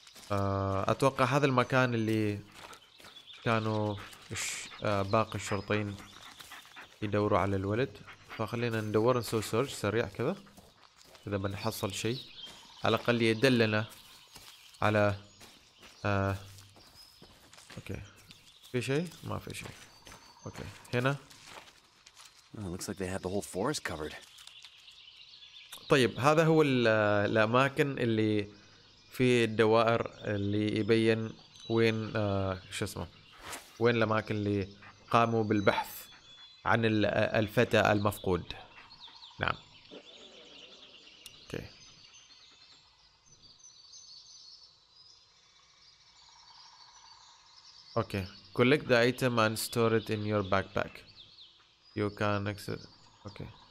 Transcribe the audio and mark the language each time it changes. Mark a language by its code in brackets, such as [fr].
[ar] أتوقع هذا المكان اللي كانوا باقي الشرطين يدوروا على الولد، فخلينا ندور نسوي سيرش سريع كذا، اذا بنحصل شيء على الاقل يدلنا على اوكي. في شيء؟ ما في شيء. اوكي هنا. [en] Well, looks like they have the whole forest covered. [ar] طيب هذا هو الاماكن اللي في الدوائر اللي يبين وين شو اسمه وين الاماكن اللي قاموا بالبحث عن الفتى المفقود. نعم اوكي اوكي [en] collect the item and store it in your backpack you can access okay